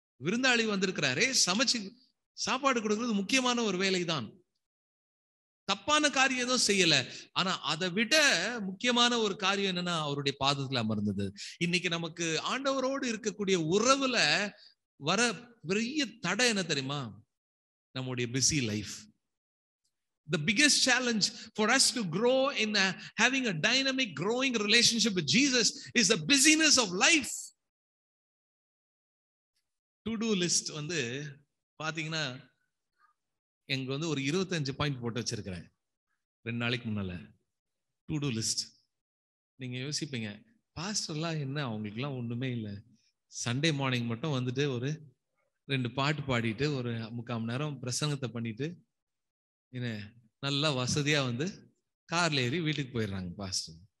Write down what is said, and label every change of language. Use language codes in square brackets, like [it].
[ta] விருந்தாளி வந்திருக்கிறாரே, சமைச்சு சாப்பாடு கொடுக்கறது முக்கியமான ஒரு வேலைதான். தப்பான காரியம் எதுவும் செய்யல, ஆனா அதை விட முக்கியமான ஒரு காரியம் என்னன்னா அவருடைய பாதத்துல அமர்ந்தது. இன்னைக்கு நமக்கு ஆண்டவரோடு இருக்கக்கூடிய உறவுல வர பெரிய தடை என்ன தெரியுமா? நம்முடைய busy life. [en] The biggest challenge for us to grow in a, having a dynamic, growing relationship with Jesus is the busyness of life. [ta] To-do list வந்து பாத்தீங்கன்னா எங்க வந்து ஒரு 25 பாயிண்ட் போட்டு வச்சிருக்கிறேன் ரெண்டு நாளைக்கு முன்னால. டு டூ லிஸ்ட் நீங்க யோசிப்பீங்க, பாஸ்டர்லாம் என்ன அவங்களுக்குலாம் ஒண்ணுமே இல்லை, சண்டே மார்னிங் மட்டும் வந்துட்டு ஒரு ரெண்டு பாட்டு பாடிட்டு ஒரு முக்கால் மணி நேரம் பிரசங்கத்தை பண்ணிட்டு என்ன நல்லா வசதியாக வந்து கார்ல ஏறி வீட்டுக்கு போயிடுறாங்க பாஸ்டர்.